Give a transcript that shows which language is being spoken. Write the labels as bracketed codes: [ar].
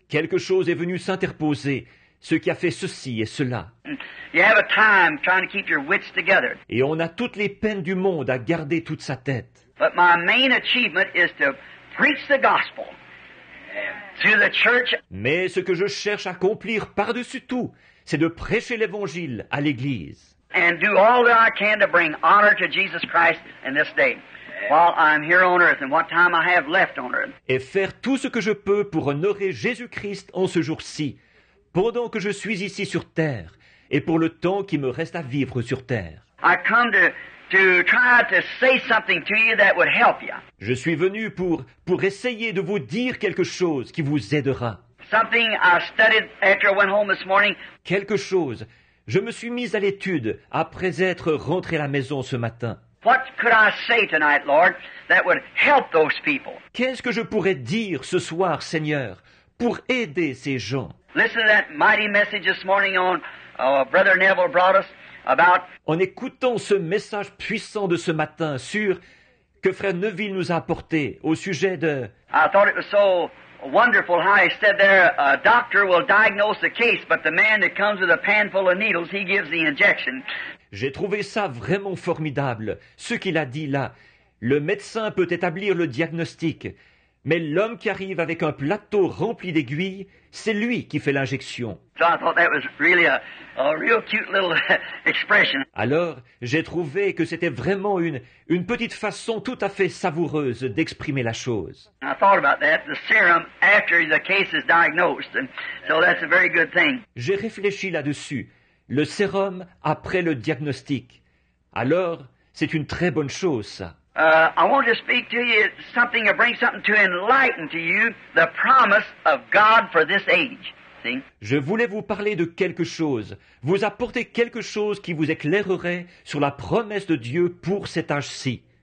[fr] Quelque chose est venu s'interposer. Ce qui a fait ceci et cela. [en] You have a time trying to keep your wits together. [fr] Et on a toutes les peines du monde à garder toute sa tête. [en] But my main achievement is to preach the gospel. To the church. [fr] Mais ce que je cherche à accomplir par-dessus tout, c'est de prêcher l'Évangile à l'Église. [en] And do all that I can to bring honor to Jesus Christ in this day, while I'm here on earth and what time I have left on earth. [fr] Et faire tout ce que je peux pour honorer Jésus-Christ en ce jour-ci, pendant que je suis ici sur terre, et pour le temps qui me reste à vivre sur terre. [en] I come to try to say something to you that would help you. [fr] Je suis venu pour essayer de vous dire quelque chose qui vous aidera. [en] Something I studied after I went home this morning. [fr] Quelque chose. Je me suis mis à l'étude après être rentré à la maison ce matin. [en] What could I say tonight, Lord, that would help those people? [fr] Qu'est-ce que je pourrais dire ce soir, Seigneur, pour aider ces gens? [en] Listen to that mighty message this morning on Brother Neville brought us. About [fr] en écoutant ce message puissant de ce matin sur que Frère Neville nous a apporté au sujet de... [en] I thought it was so wonderful how he said there, a doctor will diagnose the case, but the man that comes with a pan full of needles, he gives the injection. [fr] J'ai trouvé ça vraiment formidable, ce qu'il a dit là. Le médecin peut établir le diagnostic, Mais l'homme qui arrive avec un plateau rempli d'aiguilles, c'est lui qui fait l'injection. [en] So I thought that was really a real cute little expression. [fr] Alors, j'ai trouvé que c'était vraiment une petite façon tout à fait savoureuse d'exprimer la chose. [en] I thought about that, the serum after the case is diagnosed. And so that's a very good thing. [fr] J'ai réfléchi là-dessus. Le sérum après le diagnostic. Alors, c'est une très bonne chose, ça. [en] I want to speak to you something to bring something to enlighten to you the promise of God for this age. See? [fr] Je voulais vous parler de quelque chose, vous apporter quelque chose qui vous éclairerait sur la promesse de Dieu pour cet âge-ci.